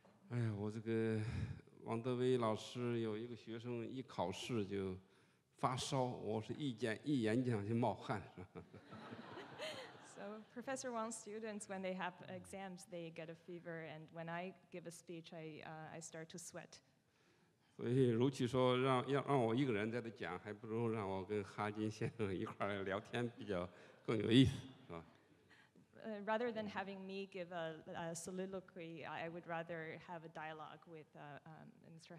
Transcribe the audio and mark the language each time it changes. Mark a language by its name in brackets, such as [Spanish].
[Chinese] 哎呀，我这个王德威老师有一个学生一考试就发烧，我是一演讲就冒汗。 [English] So Professor Wang's students, when they have exams, they get a fever, and when I give a speech, I start to sweat. [Chinese] 所以，如其说让我一个人在这讲，还不如让我跟哈金先生一块聊天比较。更有意思，是吧？ [English] Rather than having me give a soliloquy, I would rather have a dialogue with Mr.